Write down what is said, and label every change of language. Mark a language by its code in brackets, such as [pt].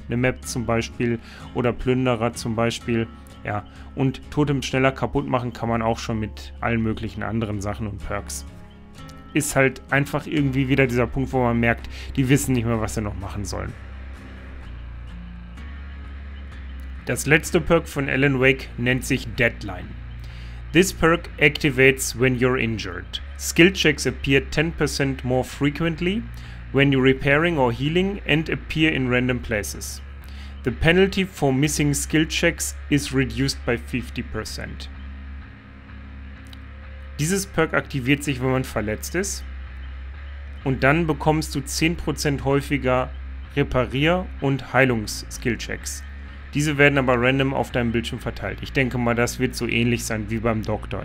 [de] Eine Map zum Beispiel oder Plünderer zum Beispiel. Ja, und Totems schneller kaputt machen kann man auch schon mit allen möglichen anderen Sachen und Perks. Ist halt einfach irgendwie wieder dieser Punkt, wo man merkt, die wissen nicht mehr, was sie noch machen sollen. Das letzte Perk von Alan Wake nennt sich Deadline. [en] This perk activates when you're injured. Skill checks appear 10% more frequently when you're repairing or healing and appear in random places. The penalty for missing skill checks is reduced by 50%. [de] Dieses Perk aktiviert sich, wenn man verletzt ist. und dann bekommst du 10% häufiger Reparier- und Heilungs-Skill-Checks. Diese werden aber random auf deinem Bildschirm verteilt. Ich denke mal, das wird so ähnlich sein wie beim Doktor.